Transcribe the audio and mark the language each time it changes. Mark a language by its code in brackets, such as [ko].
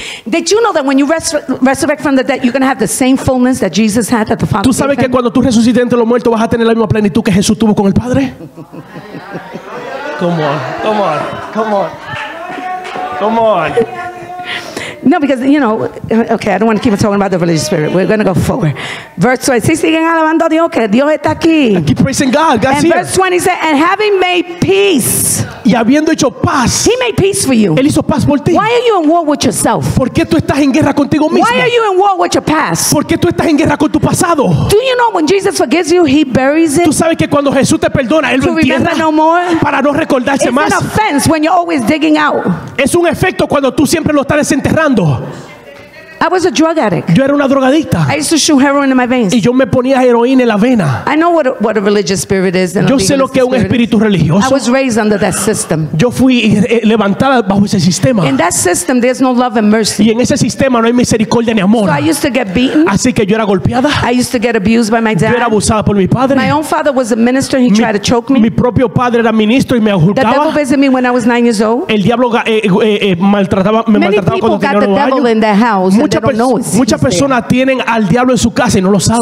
[en] Did you know that when you resurrect from the dead, you're going to have the same fullness that Jesus had at the Father? [es] ¿Tú sabes que cuando tú resucites entre los muertos vas a tener la misma plenitud que Jesús tuvo con el Padre? [en] Come on, come on, come on, come on. No, because, you know, okay, I don't want to keep on talking about the religious spirit. We're going to go forward. Verse 20, [es] si siguen alabando a Dios, que Dios está aquí. [en] Keep praising God, God's here. And verse 20 says, and having made peace. [es] Y habiendo hecho paz. [en] He made peace for you. [es] Él hizo paz por ti. [en] Why are you in war with yourself? [es] ¿Por qué tú estás en guerra contigo mismo? [en] Why are you in war with your past? [es] ¿Por qué tú estás en guerra con tu pasado? [en] Do you know when Jesus forgives you, he buries it? [es] ¿Tú sabes que cuando Jesús te perdona, él lo entierra? [en] No more? [es] Para no recordarse [en] it's [es] más. [en] It's an offense when you're always digging out. [es] Es un efecto cuando tú siempre lo estás desenterrando. [en] I was a drug addict. [es] Yo era una drogadicta. [en] I used to shoot heroin in my veins. [es] Y yo me ponía heroína en la vena. [en] I know what a religious spirit is. [es] Yo sé lo que es un espíritu religioso. [en] I was raised under that system. [es] Yo fui levantada bajo ese sistema. [en] In that system, there's no love and mercy. [es] Y en ese sistema no hay misericordia ni amor. [en] So I used to get beaten. [es] Así que yo era golpeada. [en] I used to get abused by my dad. [es] Yo era abusada por mi padre. [en] My own father was a minister. He tried to choke me. [es] Mi propio padre era ministro y me ahorcaba. [en] The devil visited me when I was 9 years old. [es] El diablo maltrataba cuando tenía 9 años. [en] Many people got the devil in their house. [es] Muchas personas tienen al diablo en su casa y no lo saben.